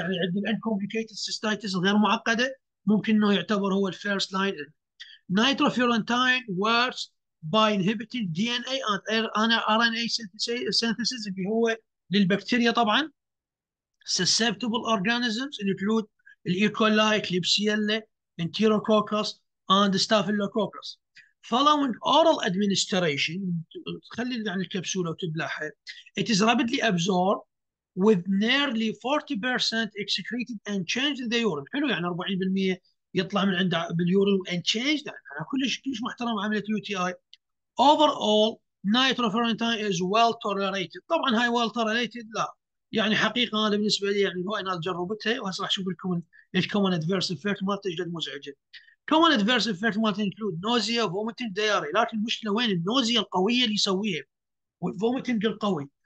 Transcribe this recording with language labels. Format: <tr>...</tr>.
<ar>يعني عند ال uncomplicated cystitis غير معقدة ممكن انه يعتبر هو ال first line.</ar> <en>Nitrofurantoin works by inhibiting DNA and RNA synthesis</en> <ar>اللي هو للبكتيريا طبعا.</ar> <en>Susceptible organisms include الإيكولاي، Klebsiella, enterococcus, and staphylococcus. Following oral administration،</en> <ar>تخلي يعني الكبسولة وتبلعها،</ar> <en>it is rapidly absorbed with nearly 40% excreted and changed in the urine.</en> <ar>حلو، يعني 40% يطلع من عند باليورين</ar> <en>and changed.</en> <ar>يعني كلش كلش محترم عملية UTI.</ar> <en>Overall, nitrofurantoin is well tolerated.</en> <ar>طبعا هاي</ar> <en>well tolerated</en> <ar>لا، يعني حقيقة أنا بالنسبة لي يعني هو أنا جربتها وهسه راح أشوف لكم ايش كومن ادفيرس افكت مالته جد مزعجه.</ar> <en>common adverse effect</en> <ar>مالته</ar> <en>Include nausea, vomiting, diarrhoea.</en> <ar>لكن المشكله وين؟ النوزيا القويه اللي يسويها والفوميتنج القوي.</ar>